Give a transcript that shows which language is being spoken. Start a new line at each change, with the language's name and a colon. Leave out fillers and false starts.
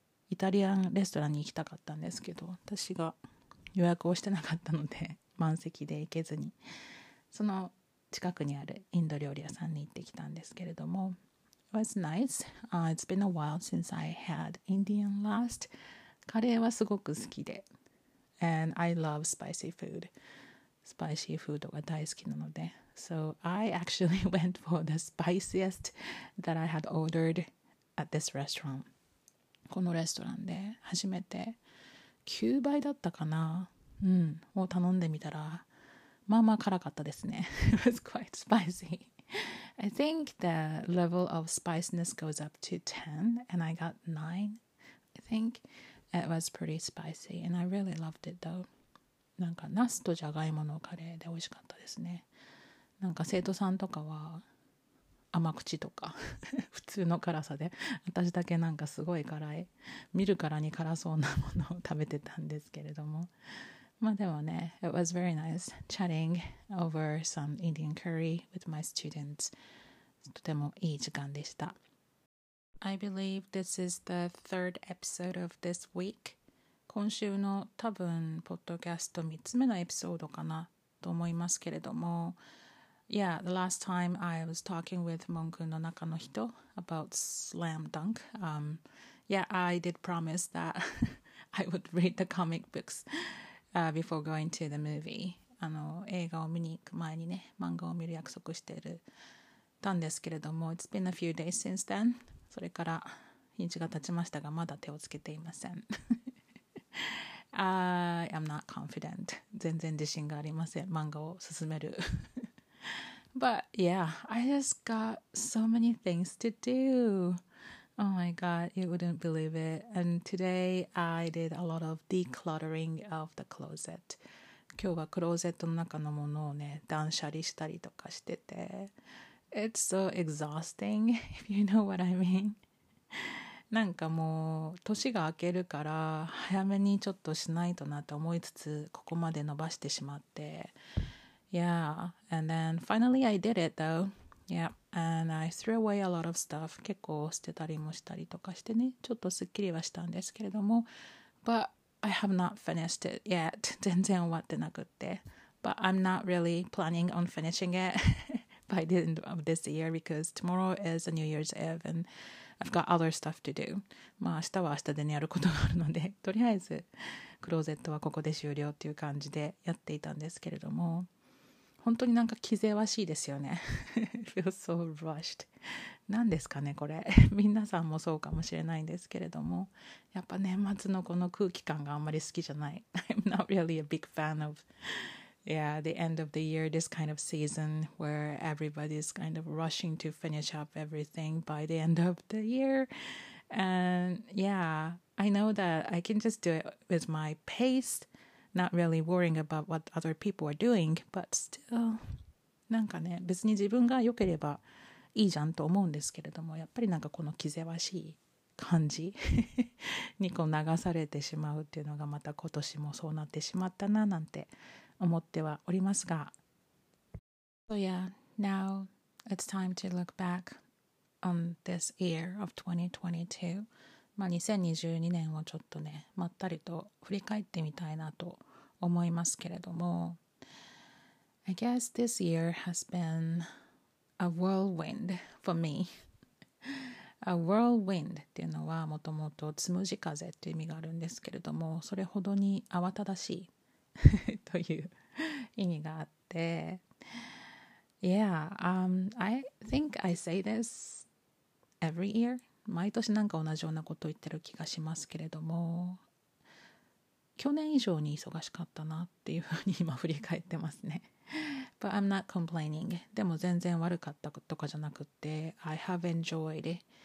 Japanese: イタリアンレストランに行きたかったんですけど、私が予約をしてなかったので満席で行けずに、その近くにあるインド料理屋さんに行ってきたんですけれども、
English: It was nice. It's been a while since I had Indian last.
Japanese: カレーはすごく好きで、
English: And I love spicy food.
Japanese: スパイシーフードが大好きなので、
English: So I actually went for the spiciest that I had ordered at this restaurant.
Japanese: このレストランで初めて9倍だったかな、うん、を頼んでみたら、まあまあ辛かったですね。
English: It was quite spicy. I think the level of spiciness goes up to 10 and I got 9. I think it was pretty spicy and I really loved it though.
Japanese: なんかナスとジャガイモのカレーで美味しかったですね。なんか生徒さんとかは甘口とか普通の辛さで、私だけなんかすごい辛い、見るからに辛そうなものを食べてたんですけれども、まあでもね、
English: It was very nice chatting over some Indian curry with my students.
Japanese: とてもいい時間でした。
English: I believe this is the third episode of this week.
Japanese: 今週の多分、ポッドキャスト3つ目のエピソードかなと思いますけれども。
English: Yeah, the last time I was talking with Monkun
Japanese: の中の人
English: about Slam Dunk. I did promise that I would read the comic books. Before going to the movie.
Japanese: 映画を見に行く前にね、漫画を見る約束してたんですけれども、
English: It's been a few days since then.
Japanese: それから日にちが経ちましたが、まだ手をつけていません。
English: I'm not confident.
Japanese: 全然自信がありません。漫画を進める。
English: But yeah, I just got so many things to do. Oh my god, you wouldn't believe it. And today I did a lot of decluttering of the closet.
Japanese: 今日はクローゼットの中のものをね、断捨離したりとかしてて。
English: It's so exhausting, if you know what I mean.
Japanese: なんかもう、年が明けるから早めにちょっとしないとなって思いつつ、ここまで伸ばしてしまって。
English: Yeah, and then finally I did it though. Yeah, and I threw away a lot of stuff.
Japanese: 結構捨てたりもしたりとかしてね、ちょっとすっきりはしたんですけれども、
English: But I have not finished it yet.
Japanese: 全然終わってなくて。
English: But I'm not really planning on finishing it by the end of this year because tomorrow is a New Year's Eve and I've got other stuff to do.
Japanese: まあ明日は明日でやることがあるので、とりあえずクローゼットはここで終了っていう感じでやっていたんですけれども、本当になんか気ぜわしいですよね。
English: Feels so rushed.
Japanese: なんですかねこれ。皆さんもそうかもしれないんですけれども、やっぱ年末のこの空気感があんまり好きじゃない。
English: I'm not really a big fan of... Yeah, the end of the year, this kind of season where everybody is kind of rushing to finish up everything by the end of the year. And yeah, I know that I can just do it with my pace, not really worrying about what other people are doing, but still.
Japanese: なんかね、別に自分が良ければいいじゃんと思うんですけれども、やっぱりなんかこの気ぜわしい感じにこう流されてしまうっていうのがまた今年もそうなってしまったななんて。思ってはおりますが。
English: So yeah, now it's time to look back on this year of 2022.
Japanese: まあ2022年をちょっとね、まったりと振り返ってみたいなと思いますけれども。
English: I guess this year has been a whirlwind for me. A whirlwind
Japanese: っていうのはもともとつむじ風っていう意味があるんですけれども、それほどに慌ただしいという。意味があって
English: Yeah, I think I say this every year.
Japanese: 毎年なんか同じようなこと言ってる気がしますけれども去年以上に忙しかったなっていうふうに今振り返ってますね
English: But I'm not complaining.
Japanese: でも全然悪かったとかじゃなくて
English: I have enjoyed